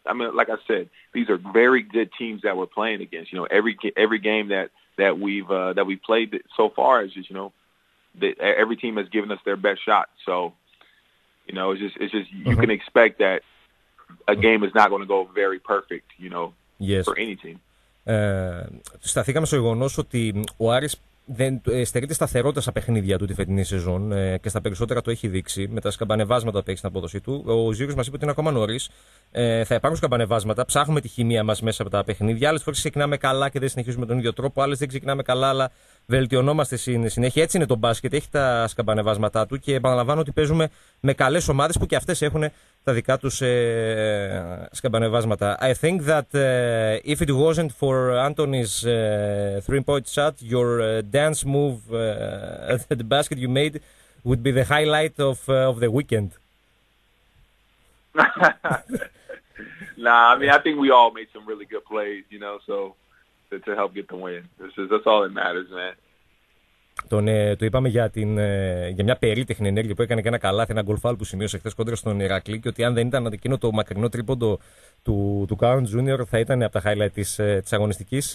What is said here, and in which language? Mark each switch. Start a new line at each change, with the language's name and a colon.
English: I mean, like I said, these are very good teams that we're playing against. You know, every game that we've played so far is just, you know, every team has given us their best shot. So, you know, it's just you mm-hmm. can expect that a game is not going to go very perfect, you know, yes. for any team.
Greek: Σταθήκαμε στο γεγονός ότι ο Άρης δεν στερείται σταθερότητα στα παιχνίδια του τη φετινή σεζόν και στα περισσότερα το έχει δείξει με τα σκαμπανεβάσματα που έχει στην απόδοσή του. Ο Ζήρος μας είπε ότι είναι ακόμα νωρίς. Θα υπάρχουν σκαμπανεβάσματα, ψάχνουμε τη χημεία μας μέσα από τα παιχνίδια. Άλλες φορές ξεκινάμε καλά και δεν συνεχίζουμε τον ίδιο τρόπο. Άλλες δεν ξεκινάμε καλά, αλλά βελτιωνόμαστε συνέχεια. Έτσι είναι το μπάσκετ, έχει τα σκαμπανεβάσματά του και επαναλαμβάνω ότι παίζουμε με καλές ομάδες που και αυτές έχουν τα δικά τους σκαμπανεβάσματα.
English: I think that if it wasn't for Anthony's three-point shot, your dance move at the basket you made would be the highlight of the weekend. Nah, I mean, I think we all made some really good plays, you know, so to help get the win. That's all that matters, man.
Greek: Το είπαμε για μια περίτεχνη ενέργεια που έκανε και ένα καλάθι, ένα γκολφάλ που σημείωσε χθες κόντρα στον Ηρακλή και ότι αν δεν ήταν εκείνο το μακρινό τρίποντο του Κάουν Τζούνιορ θα ήταν από τα highlight της αγωνιστικής.